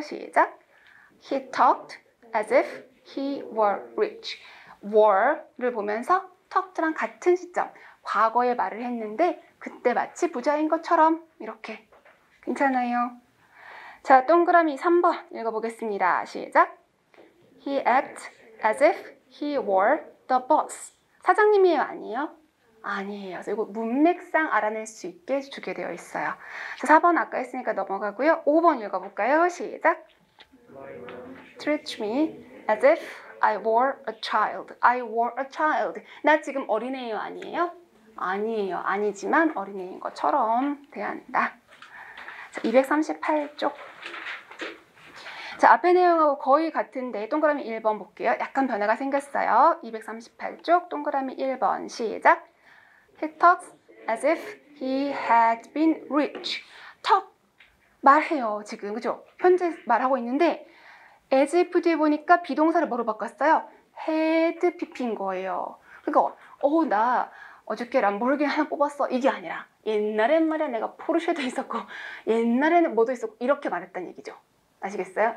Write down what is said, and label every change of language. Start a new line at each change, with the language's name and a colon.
Korean: 시작.
English: He talked as if he were rich.
Korean: were를 보면서 talked랑 같은 시점, 과거에 말을 했는데 그때 마치 부자인 것처럼 이렇게. 괜찮아요? 자, 동그라미 3번 읽어보겠습니다. 시작.
English: He acts as if he were the boss.
Korean: 사장님이에요, 아니에요? 아니에요. 그래서 이거 문맥상 알아낼 수 있게 주게 되어 있어요. 4번 아까 했으니까 넘어가고요. 5번 읽어볼까요? 시작.
English: Treat me as if I were a child. I were a child.
Korean: 나 지금 어린애예요, 아니에요? 아니에요. 아니지만 어린애인 것처럼 대한다. 자, 238쪽. 자, 앞에 내용하고 거의 같은데 동그라미 1번 볼게요. 약간 변화가 생겼어요. 238쪽 동그라미 1번 시작.
English: He talks as if he had been rich.
Korean: talk 말해요, 지금. 그죠? 현재 말하고 있는데 as if 뒤에 보니까 비동사를 뭐로 바꿨어요? had PP인 거예요. 그러니까 나 어저께 람보르기니 하나 뽑았어. 이게 아니라 옛날엔 말이야 내가 포르쉐도 있었고 옛날에는 뭐도 있었고 이렇게 말했다는 얘기죠. 아시겠어요?